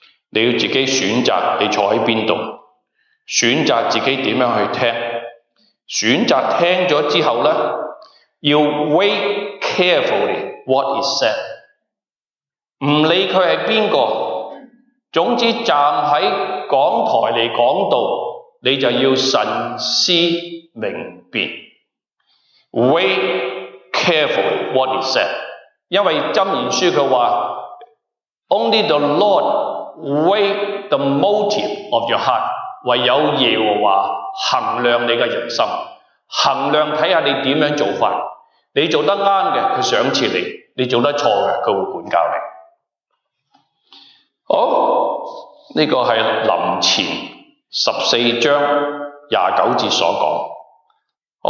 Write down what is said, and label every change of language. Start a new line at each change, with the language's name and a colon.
Chinese: 你要自己选择你坐在哪里，选择自己怎样去听，选择听了之后呢，要
English: wait carefully what is said。
Chinese: 不理他是哪个，总之站在讲台来讲道，你就要慎思明辨。
English: Wait carefully what is said.
Chinese: 因为箴言书他说
English: Only the Lord weigh the motive of your heart.
Chinese: 唯有耶和华衡量你的人心，衡量看看你怎样做法，你做得对的他赏赐你，你做得错的他会管教你。好，这个是临前十四章廿九节所讲。